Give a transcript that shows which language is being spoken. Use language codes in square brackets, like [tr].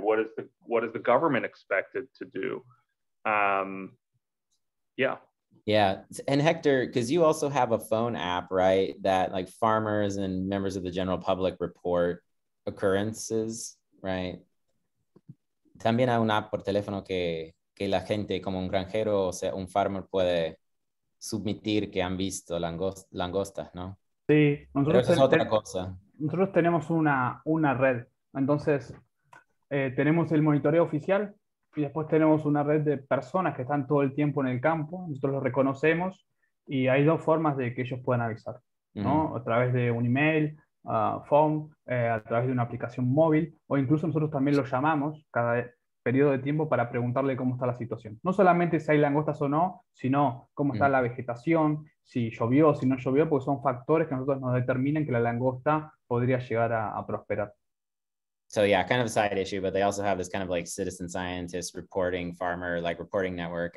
[en] What is the government expected to do? And Hector, because you also have a phone app, right, that like farmers and members of the general public report occurrences, right? [es] También hay una app por teléfono que la gente como un granjero, o sea, un farmer puede submitir que han visto langostas, ¿no? Sí, nosotros, pero eso es otra cosa. Nosotros tenemos una red, entonces tenemos el monitoreo oficial y después tenemos una red de personas que están todo el tiempo en el campo, nosotros los reconocemos y hay dos formas de que ellos puedan avisar, ¿no? Uh-huh. A través de un email, phone, a través de una aplicación móvil o incluso nosotros también los llamamos cada vez. Periodo de tiempo para preguntarle cómo está la situación. No solamente si hay langostas o no, sino cómo está la vegetación, si llovió, si no llovió, porque son factores que nosotros nos determinan que la langosta podría llegar a prosperar. [en] So yeah, kind of a side issue, but they also have this kind of like citizen scientist reporting farmer, like reporting network.